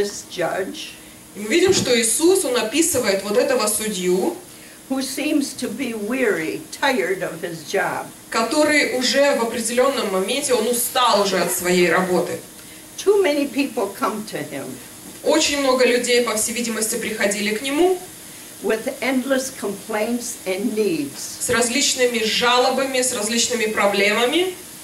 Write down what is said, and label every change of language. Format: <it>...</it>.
<ru>И мы видим, что Иисус, он описывает вот этого судью,</ru> <en>who seems to be weary, tired of his job,</en> <ru>который уже в определенном моменте, он устал уже от своей работы.</ru> <en>Too many people come to him.</en> <ru>Очень много людей, по всей видимости, приходили к нему</ru> <en>with endless complaints and needs.</en> <ru>С различными жалобами, с различными проблемами.</ru>